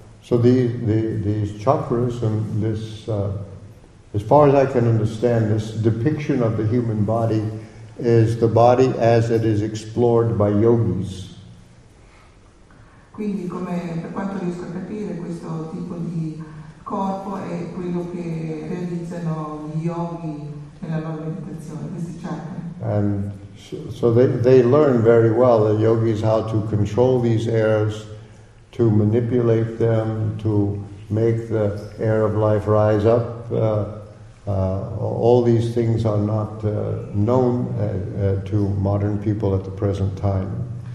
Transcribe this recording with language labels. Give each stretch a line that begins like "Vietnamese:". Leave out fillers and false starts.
English: But these chakras and this, as far as I can understand, this depiction of the human body is the body as it is explored by yogis.
Italian: Quindi, come per quanto riesco a capire, questo tipo di corpo è quello che realizzano gli yogi nella loro meditazione, questi chakra.
English: And so they learn very well, the yogis, how to control these airs, to manipulate them, to make the air of life rise up. All these things are not known to modern people at the present time.